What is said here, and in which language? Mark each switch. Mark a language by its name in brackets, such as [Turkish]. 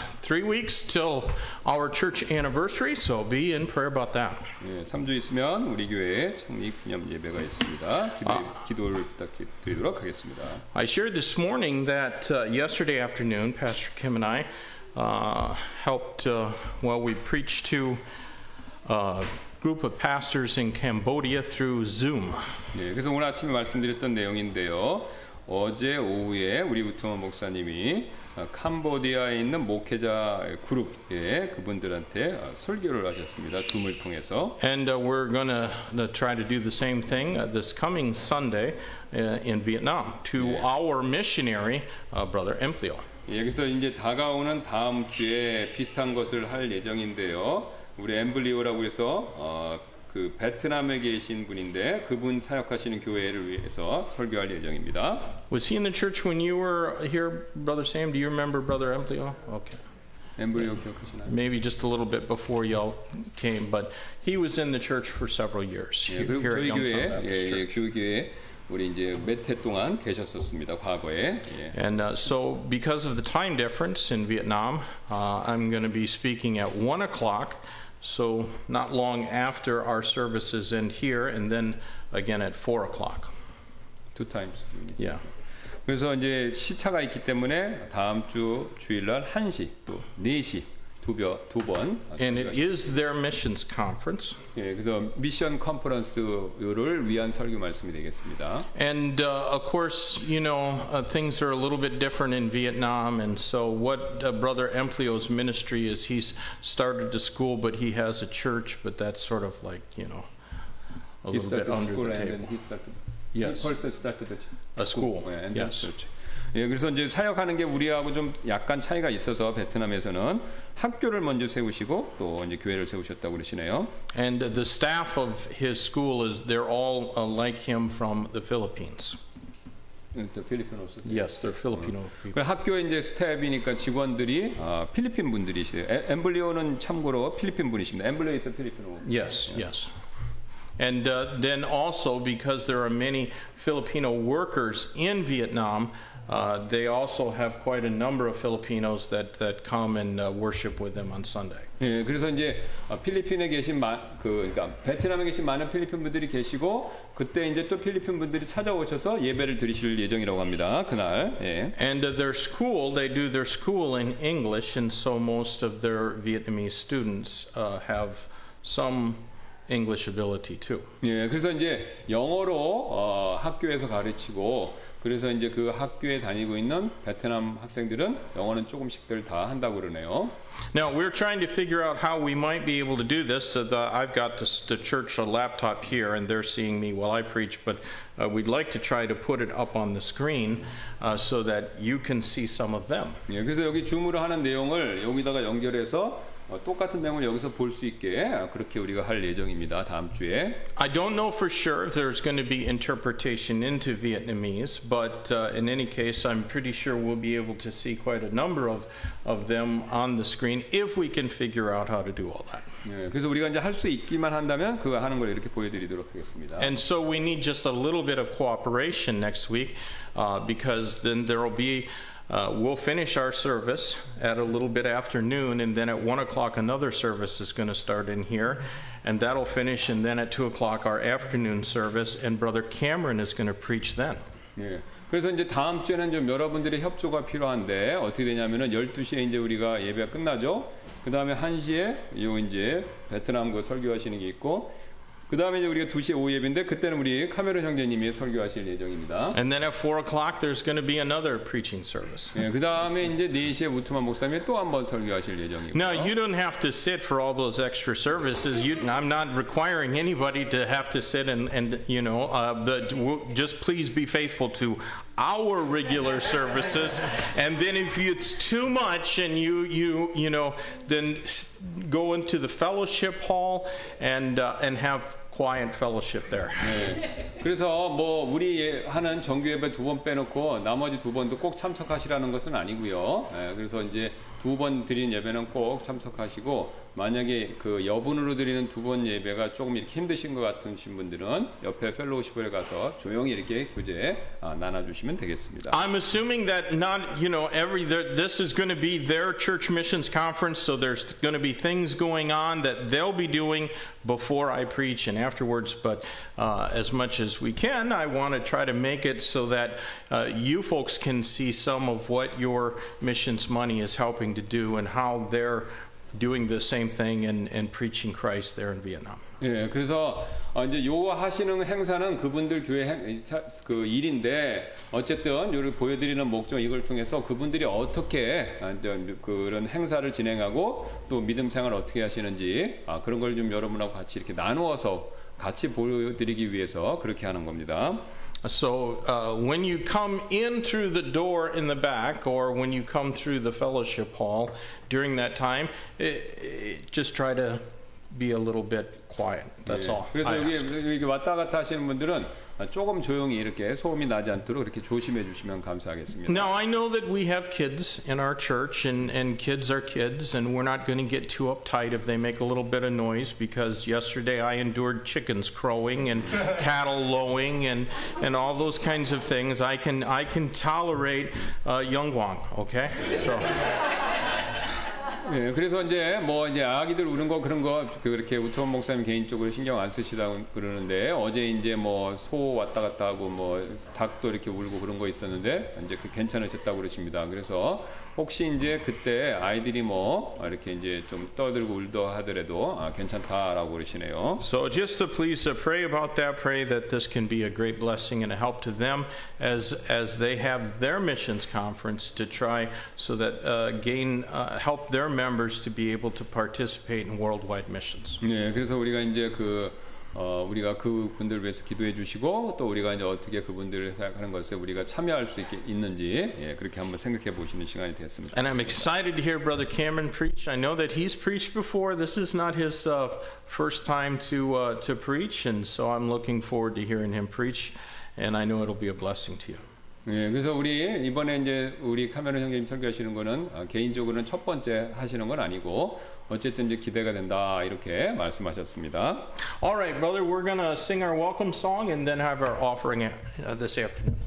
[English] 3 weeks till our church anniversary, so be in prayer about that. [Korean] 3주 있으면 우리 교회 창립 기념 예배가 있습니다. 기도를 부탁드리도록 하겠습니다. [English] I shared this morning that yesterday afternoon, Pastor Kim and I helped, we preached to a group of pastors in Cambodia through Zoom. [Korean] 네, 그래서 오늘 아침에 말씀드렸던 내용인데요. 어제 오후에 우리 우통원 목사님이 캄보디아에 있는 목회자 그룹 그분들한테 설교를 하셨습니다. 줌을 통해서. [English] And we're going to try to do the same thing this coming Sunday in Vietnam to our missionary brother Emplio. [Korean] 여기서 이제 다가오는 다음 주에 비슷한 것을 할 예정인데요. 우리 엠블리오라고 해서 그 베트남에 계신 분인데 그분 사역하시는 교회를 위해서 설교할 예정입니다. [English] Was he in the church when you were here, Brother Sam? Do you remember Brother Emplio? Okay. [Korean] Emplio 기억하시나요? [English] Maybe just a little bit before y'all came, but he was in the church for several years. [Korean] 저희 교회, 예, 교회 우리 이제 몇 해 동안 계셨었습니다. 과거에. 예. [English] And so because of the time difference in Vietnam, I'm going to be speaking at 1 o'clock, so not long after our services end here, and then again at 4 o'clock. Two times. Yeah. [Korean] 그래서 이제 시차가 있기 때문에 다음 주 주일날 1시 또 4시 두 번. [English] And it is their missions conference. [Korean] 예, 그래서 미션 컨퍼런스를 위한 설교 말씀이 되겠습니다. [English] And of course, you know, things are a little bit different in Vietnam, and so what Brother Emplio's ministry is, he's started a school, but he has a church, but that's sort of like, you know, a little bit under the table. He started school and then he started. Yes. He first started the school. A school. Yeah, yes. Church. [Korean] 예, 그래서 이제 사역하는 게 우리하고 좀 약간 차이가 있어서 베트남에서는 학교를 먼저 세우시고 또 이제 교회를 세우셨다고 그러시네요. [English] And the staff of his school is they're all like him from the Philippines. The Filipinos. Yes, they're Filipino. [Korean] 그 학교의 이제 스태프이니까 직원들이 필리핀 분들이세요. 엠블리오는 참고로 필리핀 분이십니다. [English] 엠블리오 is a Filipino. Yes, yes. And then also because there are many Filipino workers in Vietnam, they also have quite a number of Filipinos that come and worship with them on Sunday. [Korean] 예, 그래서 이제 필리핀에 계신 그러니까 베트남에 계신 많은 필리핀 분들이 계시고 그때 이제 또 필리핀 분들이 찾아오셔서 예배를 드리실 예정이라고 합니다. 그날. 예. [English] And their school, they do their school in English, and so most of their Vietnamese students have some English ability too. [Korean] 예, 그래서 이제 영어로 학교에서 가르치고. 그래서 이제 그 학교에 다니고 있는 베트남 학생들은 영어는 조금씩들 다 한다고 그러네요. [English] Now we're trying to figure out how we might be able to do this. So I've got the church laptop here, and they're seeing me while I preach. But we'd like to try to put it up on the screen so that you can see some of them. [Korean] 예, 그래서 여기 줌으로 하는 내용을 여기다가 연결해서. 똑같은 내용을 여기서 볼 수 있게 그렇게 우리가 할 예정입니다. 다음 주에. [English] I don't know for sure if there's going to be interpretation into Vietnamese, but in any case, I'm pretty sure we'll be able to see quite a number of them on the screen if we can figure out how to do all that. [Korean] 예, 그래서 우리가 이제 할 수 있기만 한다면 그 하는 걸 이렇게 보여드리도록 하겠습니다. [English] And so we need just a little bit of cooperation next week, because then there will be. We'll finish our service at a little bit after noon, and then at 1 o'clock another service is going to start in here, and that'll finish, and then at 2 o'clock our afternoon service, and Brother Cameron is going to preach then. [Korean] 예, 그래서 이제 다음 주에는 좀 여러분들의 협조가 필요한데 어떻게 되냐면은 12시에 이제 우리가 예배가 끝나죠. 그 다음에 1시에 요 이제 베트남 그 설교하시는 게 있고. 그 다음에 이제 우리가 2시에 오후 예배인데 그때는 우리 카메론 형제님이 설교하실 예정입니다. [English] And then at 4 o'clock there's going to be another preaching service. [Korean] 예, 그 다음에 이제 4시에 우트만 목사님이 또 한번 설교하실 예정입니다. [English] Now you don't have to sit for all those extra services. I'm not requiring anybody to have to sit and you know, but just please be faithful to our regular services. And then if it's too much and you know, then go into the fellowship hall and have quiet fellowship there. [Korean] 네. 그래서 뭐 우리 하는 정규 예배 두 번 빼놓고 나머지 두 번도 꼭 참석하시라는 것은 아니고요. 네, 그래서 이제 두 번 드리는 예배는 꼭 참석하시고 만약에 그 여분으로 드리는 두 번 예배가 조금 이렇게 힘드신 것 같으신 분들은 옆에 펠로우십을 가서 조용히 이렇게 교재 나눠주시면 되겠습니다. [English] I'm assuming that not, you know, this is going to be their church missions conference, so there's going to be things going on that they'll be doing before I preach and afterwards, but as much as we can, I want to try to make it so that you folks can see some of what your missions money is helping to do and how they're doing the same thing and preaching Christ there in Vietnam. [Korean] 예, 그래서 이제 요 하시는 행사는 그분들 교회 그 일인데 어쨌든 요를 보여드리는 목적 이걸 통해서 그분들이 어떻게 이제 그런 행사를 진행하고 또 믿음 생활 어떻게 하시는지 그런 걸 좀 여러분하고 같이 이렇게 나누어서 같이 보여드리기 위해서 그렇게 하는 겁니다. [English] So when you come in through the door in the back or when you come through the fellowship hall during that time, just try to be a little bit quiet. quiet. That's 예, all. [Korean] 그래서 여기 왔다 갔다 하시는 분들은 조금 조용히 이렇게 소음이 나지 않도록 이렇게 조심해 주시면 감사하겠습니다. [English] Now I know that we have kids in our church and kids are kids and we're not going to get too uptight if they make a little bit of noise because yesterday I endured chickens crowing and cattle lowing and all those kinds of things. I can tolerate young one, okay? So [Korean] 예, 그래서 이제 아기들 우는 거 그런 거 그렇게 우천 목사님 개인적으로 신경 안 쓰시다고 그러는데 어제 이제 뭐 소 왔다 갔다 하고 뭐 닭도 이렇게 울고 그런 거 있었는데 이제 그 괜찮으셨다고 그러십니다. 그래서 혹시 이제 그때 아이들이 뭐 이렇게 이제 좀 떠들고 울더 하더라도 아, 괜찮다라고 그러시네요. [English] So just to please pray about that, pray that this can be a great blessing and a help to them as they have their missions conference to try so that gain help their members to be able to participate in worldwide missions. [Korean] 네, 그래서 우리가 이제 그 우리가 그분들을 위해서 기도해 주시고 또 우리가 이제 어떻게 그분들을 생각하는 것에 우리가 참여할 수 있는지 예, 그렇게 한번 생각해 보시는 시간이 되었습니다. [English] And I'm excited to hear Brother Cameron preach. I know that he's preached before. This is not his first time to preach, and so I'm looking forward to hearing him preach. And I know it'll be a blessing to you. [Korean] 예, 그래서 우리 이번에 이제 우리 카메론 형님 설교하시는 거는 개인적으로는 첫 번째 하시는 건 아니고 어쨌든 이제 기대가 된다 이렇게 말씀하셨습니다. [English] All right, brother, we're gonna sing our welcome song and then have our offering this afternoon.